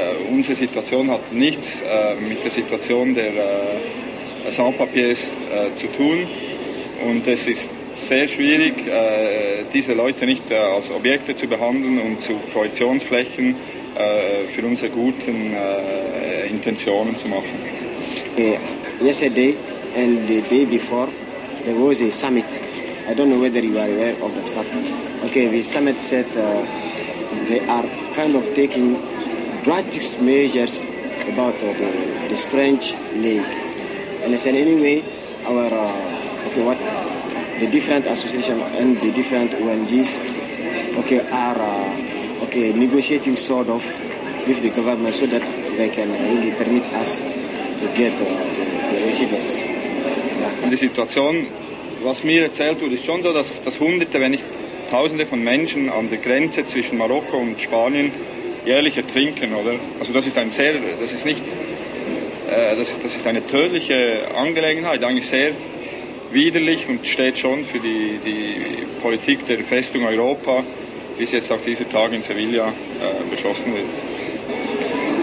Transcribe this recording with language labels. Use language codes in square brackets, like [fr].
[de] Unsere Situation hat nichts mit der Situation der Sans-Papiers zu tun. Und es ist sehr schwierig, diese Leute nicht als Objekte zu behandeln und zu Projektionsflächen für unsere guten Intentionen zu machen. [en] Yesterday and the day before, there was a summit. I don't know whether you are aware of that fact. Okay, the summit said they are kind of taking drastic measures about the strange league. And I said, anyway, our... what the different associations and the different ONGs are negotiating sort of with the government so that they can really permit us to get the residents. Yeah. [de] Die Situation, was mir erzählt wurde, ist schon so, dass Hunderte, wenn nicht Tausende von Menschen an der Grenze zwischen Marokko und Spanien jährlich ertrinken, oder? Also das ist eine tödliche Angelegenheit, eigentlich sehr widerlich und steht schon für die Politik der Festung Europa, wie es jetzt auch diese Tage in Sevilla beschlossen wird.